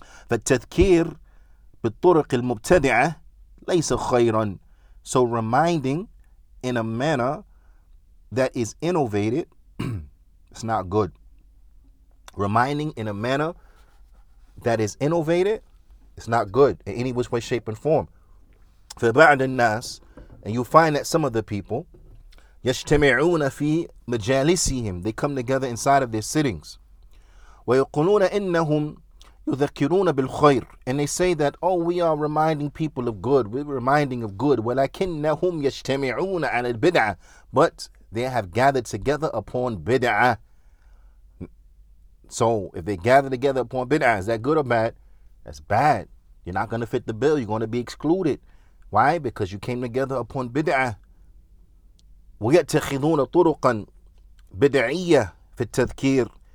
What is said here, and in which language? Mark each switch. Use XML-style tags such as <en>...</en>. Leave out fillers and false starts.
<ar>فالتذكير بالطرق المبتدعة ليس خيرا.</ar> <en>So reminding in a manner that is innovative, it's not good. Reminding in a manner that is innovative, it's not good in any which way, shape, and form.</en> <ar>فبعض الناس,</ar> <en>and you find that some of the people,</en> <ar>يجتمعون في مجالسهم,</ar> <en>they come together inside of their sittings.</en> <ar>ويقولون إنهم يذكرون بالخير.</ar> <en>And they say that, oh, we are reminding people of good. We're reminding of good.</en> <ar>ولكنهم يجتمعون على البدعة.</ar> <en>But they have gathered together upon bid'ah. So if they gather together at Point Bid'ah, is that good or bad? That's bad. You're not going to fit the bill. You're going to be excluded. Why? Because you came together upon bid'ah.</en> <ar>وَيَتَّخِذُونَ طُرُقًا بِدْعِيَّةً فِي التَّذْكِيرِ.</ar>